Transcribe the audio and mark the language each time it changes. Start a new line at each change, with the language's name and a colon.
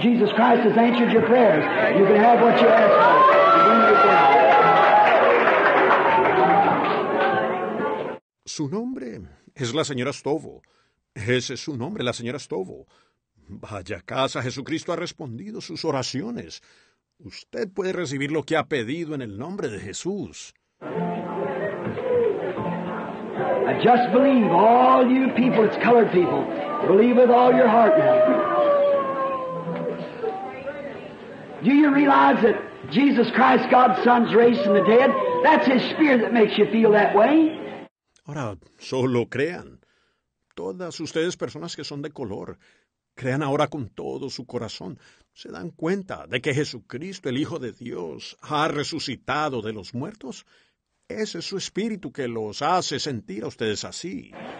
English: Jesus Christ has answered your prayers. You can have what you ask for.
Spanish: Su nombre es la señora Stovall. Ese es su nombre, la señora Stovall. Vaya casa, Jesucristo ha respondido sus oraciones. Usted puede recibir lo que ha pedido en el nombre de Jesús.
English: I just believe, all you people, it's colored people, believe with all your heart now. Do you realize that Jesus Christ, God's Son, is raised from the dead? That's His Spirit that makes you feel that way.
Spanish: Ahora, solo crean. Todas ustedes, personas que son de color, crean ahora con todo su corazón. ¿Se dan cuenta de que Jesucristo, el Hijo de Dios, ha resucitado de los muertos? Ese es su espíritu que los hace sentir a ustedes así.